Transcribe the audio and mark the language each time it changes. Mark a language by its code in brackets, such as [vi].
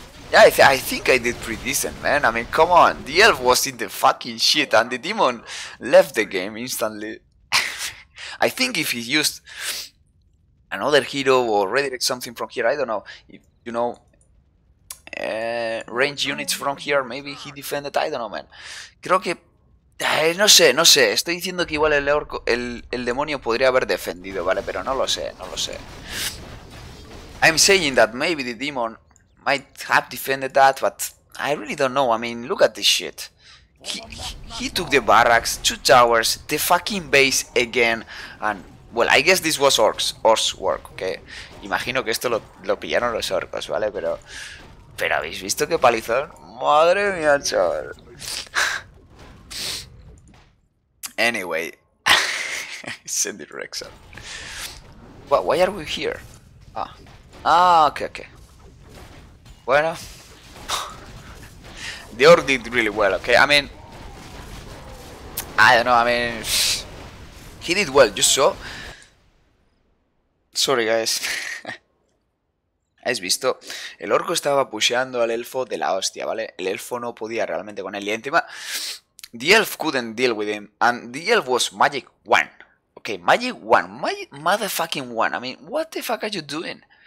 [en] Yeah. Yeah, I think I did pretty decent, man. I mean, come on, the elf was in the fucking shit and the demon left the game instantly. I think if he used another hero or redirect something from here, I don't know, if, you know... range units from here, maybe he defended, I don't know, man. [es] Creo que... No sé, estoy diciendo que igual el demonio podría haber defendido, ¿vale? Pero no lo sé. [en] I'm saying that maybe the demon might have defended that, but I really don't know. I mean, look at this shit. He took the barracks, two towers, the fucking base again, and... Well, I guess this was orcs work, okay? [es] Imagino que esto lo pillaron los orcos, ¿vale? Pero habéis visto qué palizón. Madre mía, chaval. [en] Anyway. Send it Rex up. Why are we here? Ah, ok. Bueno. The orc did really well, okay? I mean. I don't know, I mean. He did well, just so. Sorry, guys. [es] ¿Has visto? El orco estaba pusheando al elfo de la hostia, ¿vale? El elfo no podía realmente con él. Y encima, [en] the elf couldn't deal with him. And the elf was magic one. Ok, magic one. Magic motherfucking one. I mean, what the fuck are you doing?